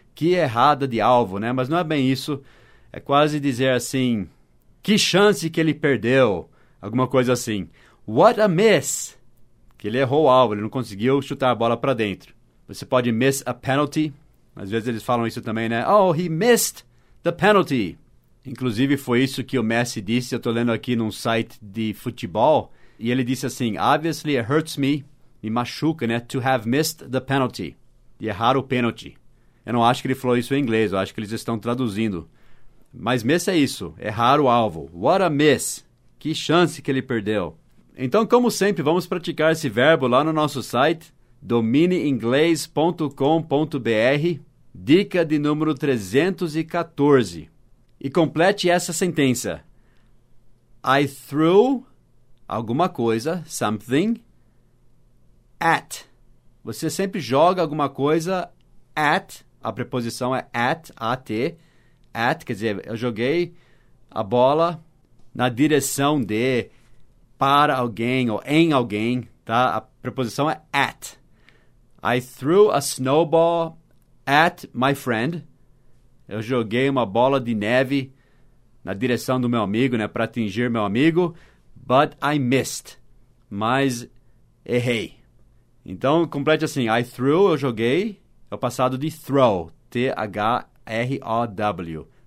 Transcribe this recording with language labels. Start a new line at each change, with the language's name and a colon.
Portuguese: Que errada de alvo, né? Mas não é bem isso. É quase dizer assim, que chance que ele perdeu. Alguma coisa assim.
English: What a miss.
Portuguese: que ele errou o alvo, ele não conseguiu chutar a bola para dentro. Você pode
English: miss a penalty.
Portuguese: Às vezes eles falam isso também, né?
English: Oh, he missed the penalty.
Portuguese: Inclusive, foi isso que o Messi disse. Eu estou lendo aqui num site de futebol. E ele disse assim,
English: obviously it hurts me,
Portuguese: me machuca, né?
English: To have missed the penalty.
Portuguese: De errar o pênalti. Eu não acho que ele falou isso em inglês. Eu acho que eles estão traduzindo. Mas miss é isso. Errar o alvo.
English: What a miss.
Portuguese: Que chance que ele perdeu. Então, como sempre, vamos praticar esse verbo lá no nosso site, domineinglês.com.br, dica de número 314. E complete essa sentença.
English: I threw
Portuguese: alguma coisa, something, at. Você sempre joga alguma coisa at, a preposição é at, A-T, at, quer dizer, eu joguei a bola na direção de, para alguém ou em alguém, tá? A preposição é at.
English: I threw a snowball at my friend.
Portuguese: Eu joguei uma bola de neve na direção do meu amigo, né? Para atingir meu amigo.
English: But I missed.
Portuguese: Mas errei. Então, complete assim.
English: I threw,
Portuguese: eu joguei. É o passado de throw.
English: T-H-R-O-W.